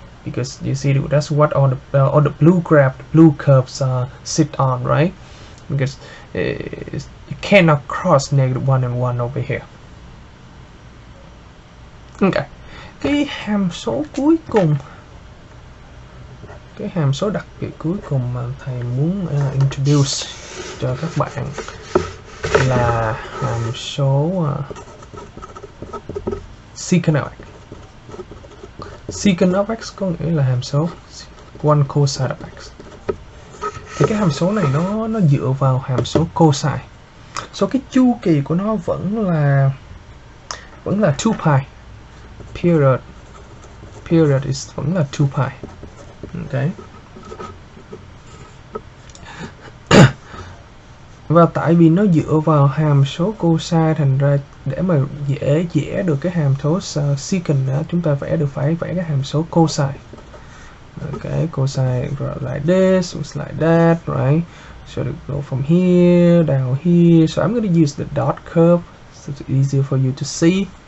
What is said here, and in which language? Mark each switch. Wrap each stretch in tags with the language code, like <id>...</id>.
<en>Because you see that's what all the blue graph, the blue curves sit on, right? Because you cannot cross negative 1 and 1 over here.</en> <vi>Okay, cái hàm số đặc biệt cuối cùng mà thầy muốn introduce cho các bạn là hàm số secant of x, có nghĩa là hàm số</vi> <en>one cosine of x.</en> <vi>Thì cái hàm số này nó dựa vào hàm số cosine. So cái chu kỳ của nó vẫn là 2 pi.</vi> <en>Period is</en> <vi>vẫn là 2 pi. Okay. Và tại vì nó dựa vào hàm số cosine, thành ra để mà dễ vẽ được cái hàm số secant đó, chúng ta phải vẽ cái hàm số cosine.</vi> <en>Okay, cosine like this, looks like that, right? So it go from here down here. So I'm going to use the dot curve so it's easier for you to see.</en>